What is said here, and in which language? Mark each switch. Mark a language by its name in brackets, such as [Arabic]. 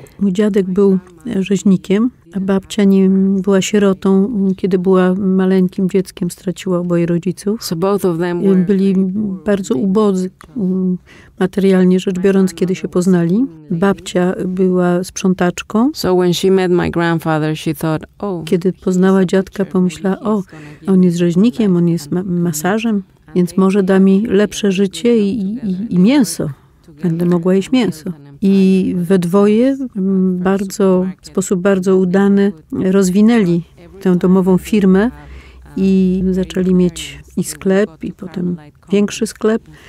[Polish] Mój dziadek był rzeźnikiem, a babcia nim była sierotą, kiedy była maleńkim dzieckiem, straciła oboje rodziców. [English] So both of them [Polish] byli bardzo ubodzy materialnie rzecz biorąc, kiedy się poznali. Babcia była sprzątaczką. [English] So when she met my grandfather, she thought, oh, [Polish] kiedy poznała dziadka, pomyślała, o, on jest rzeźnikiem, on jest masażem, więc może da mi lepsze życie i mięso. Będę mogła jeść mięso. I we dwoje w sposób bardzo udany rozwinęli tę domową firmę i zaczęli mieć i sklep, i potem większy sklep.